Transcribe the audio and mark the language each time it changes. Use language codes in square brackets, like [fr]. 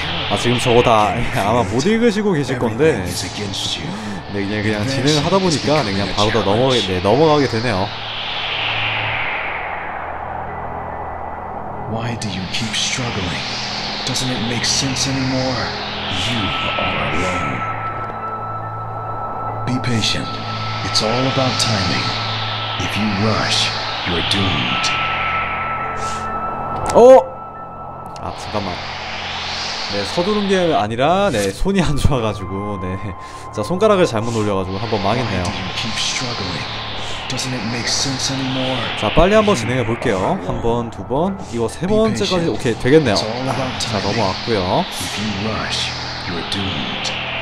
[ko] 아, 지금 저거 다 아마 못 읽으시고 계실 건데 네, 그냥 진행을 하다 보니까 그냥 바로 다 넘어가게 되네요. [en] Why do you keep struggling? Doesn't it make sense anymore? You are alone. Be patient. It's all about timing. If you rush, you're doomed. [ko] 어? 아, 잠깐만. 네, 서두른 게 아니라 네, 손이 안 좋아 가지고 네. 자, 손가락을 잘못 올려 가지고 한번 망했네요. [en] Keep struggling. Doesn't it make sense anymore? [ko] 자, 빨리 한번 진행해 볼게요. 한 번, 두 번. 이거 세 번째까지 오케이 되겠네요. 자, 넘어왔고요. [en] If you rush, you're doomed.